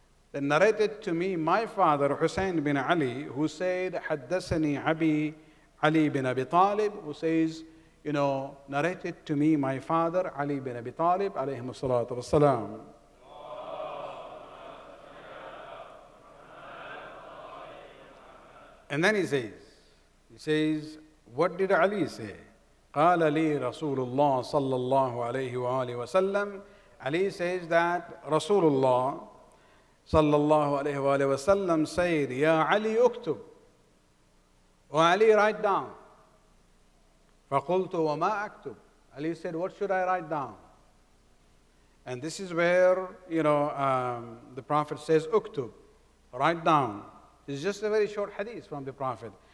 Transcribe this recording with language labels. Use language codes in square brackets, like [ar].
[en] Then narrated to me my father, Hussein bin Ali, who said, [ar] حدثني أبي علي بن أبي طالب, [en] who says, you know, narrated to me my father, Ali bin Abi Talib, alayhim as-salatu was-salam. And then he says, what did Ali say? [ar] قال لي رسول الله صلى الله عليه وآله وسلم. [en] Ali says that [ar] رسول الله صلى الله عليه وآله وسلم [en] said, [ar] يا علي اكتب. وعلي [en] write down. [ar] فقلت وما اكتب. [en] Ali said, what should I write down? And this is where, you know, the Prophet says, [ar] اكتب, [en] write down. It's just a very short hadith from the Prophet.